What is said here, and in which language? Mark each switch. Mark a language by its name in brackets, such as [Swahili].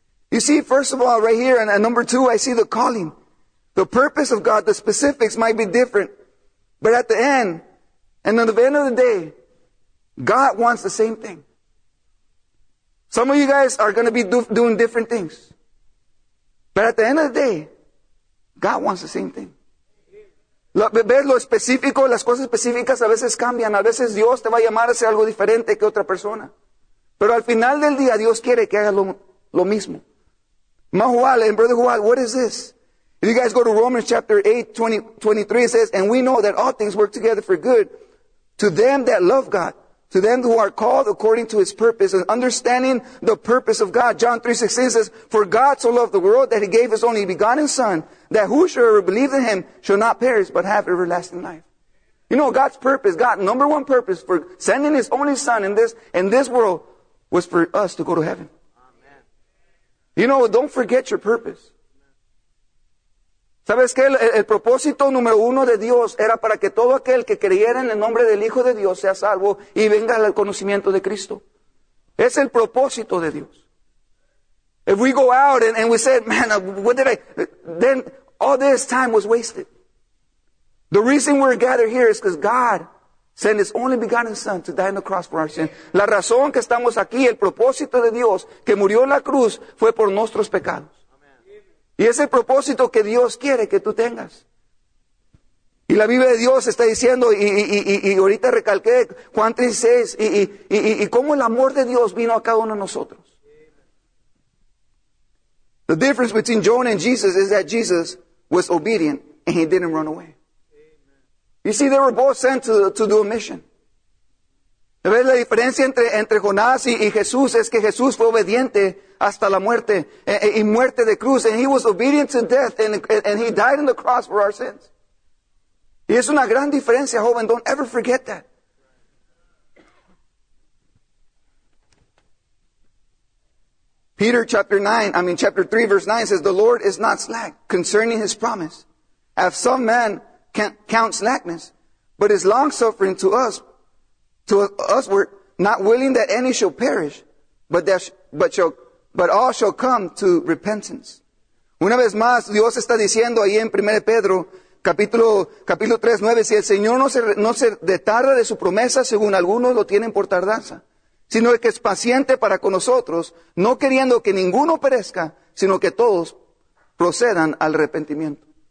[English] You see, first of all, right here, and at number 2, I see the calling. The purpose of God, the specifics might be different. But at the end, and at the end of the day, God wants the same thing. Some of you guys are going to be doing different things. But at the end of the day, God wants the same thing. [Spanish] Ver lo específico, las cosas específicas a veces cambian. A veces Dios te va a llamar a hacer algo diferente que otra persona. Pero al final del día, Dios quiere que hagas lo mismo. [English] Mahual, and Brother Juan, what is this? If you guys go to Romans chapter 8, 23, it says, and we know that all things work together for good to them that love God, to them who are called according to His purpose. And understanding the purpose of God, John 3:16 says, for God so loved the world that He gave His only begotten Son, that whosoever believes in Him shall not perish, but have everlasting life. You know, God's purpose, God's number one purpose for sending His only Son in this world was for us to go to heaven. Amen. You know, don't forget your purpose. [Spanish] ¿Sabes qué? El propósito número uno de Dios era para que todo aquel que creyera en el nombre del Hijo de Dios sea salvo y venga al conocimiento de Cristo. Es el propósito de Dios. [English] If we go out and we said, man, what did I... Then all this time was wasted. The reason we're gathered here is because God sent His only begotten Son to die on the cross for our sin. [Spanish] La razón que estamos aquí, el propósito de Dios que murió en la cruz fue por nuestros pecados. Y es el propósito que Dios quiere que tú tengas. Y la Biblia de Dios está diciendo, y ahorita recalqué Juan 3:6, y cómo el amor de Dios vino a cada uno de nosotros. [English] The difference between Jonah and Jesus is that Jesus was obedient and He didn't run away. You see, they were both sent to do a mission. [Spanish] ¿Ves la diferencia entre Jonás y Jesús? Es que Jesús fue obediente hasta la muerte, y muerte de cruz. [English] And He was obedient to death, and He died on the cross for our sins. [Spanish] Y es una gran diferencia, joven. [English] Don't ever forget that. Peter chapter 3, verse 9 says, the Lord is not slack concerning His promise, as some men count slackness, but is long-suffering to us were not willing that any shall perish, but all shall come to repentance. [Spanish] Una vez más, Dios está diciendo ahí en 1 Pedro, capítulo 3, 9, si el Señor no se detarda de su promesa, según algunos lo tienen por tardanza, sino que es paciente para con nosotros, no queriendo que ninguno perezca, sino que todos procedan al arrepentimiento.